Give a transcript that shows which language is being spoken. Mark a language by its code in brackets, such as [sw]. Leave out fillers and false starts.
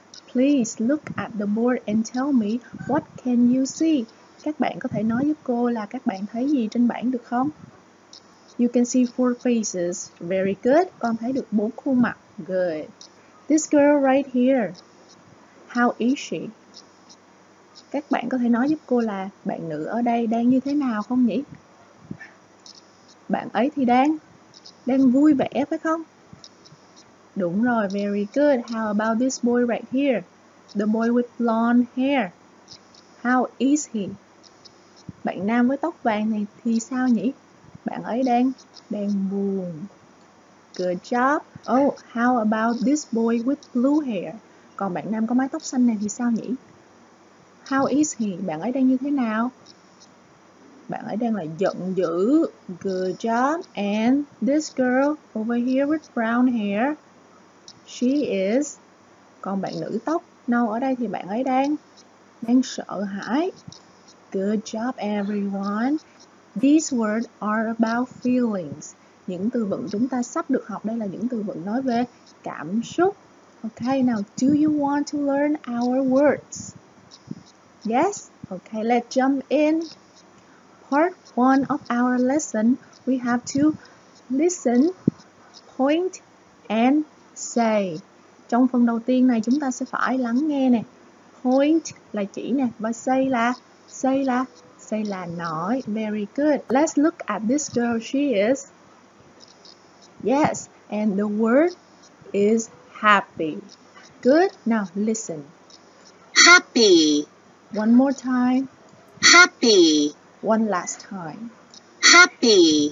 [en] Please look at the board and tell me what can you see? [vi] Các bạn có thể nói giúp cô là các bạn thấy gì trên bảng được không? [en] You can see four faces. Very good. [vi] Con thấy được bốn khuôn mặt. [en] Good. This girl right here. How is she? [vi] Các bạn có thể nói giúp cô là bạn nữ ở đây đang như thế nào không nhỉ? Bạn ấy thì đang vui vẻ phải không? Đúng rồi, [en] very good. How about this boy right here? The boy with blonde hair. How is he? [vi] Bạn nam với tóc vàng này thì sao nhỉ? Bạn ấy đang buồn. [en] Good job. Oh, how about this boy with blue hair? [vi] Còn bạn nam có mái tóc xanh này thì sao nhỉ? [en] How is he? [vi] Bạn ấy đang như thế nào? Bạn ấy đang là giận dữ. [en] Good job. And this girl over here with brown hair. She is. [vi] Còn bạn nữ tóc nâu ở đây thì bạn ấy đang sợ hãi. [en] Good job, everyone. These words are about feelings. [vi] Những từ vựng chúng ta sắp được học đây là những từ vựng nói về cảm xúc. [en] Okay, now, do you want to learn our words? Yes? Okay, let's jump in. Part one of our lesson, we have to listen, point, and say. [vi] Trong phần đầu tiên này, chúng ta sẽ phải lắng nghe nè. Point là chỉ nè, và say là nói. [en] Very good. Let's look at this girl. She is, yes, and the word is happy. Good. Now listen. Happy. One more time. Happy. One last time. Happy.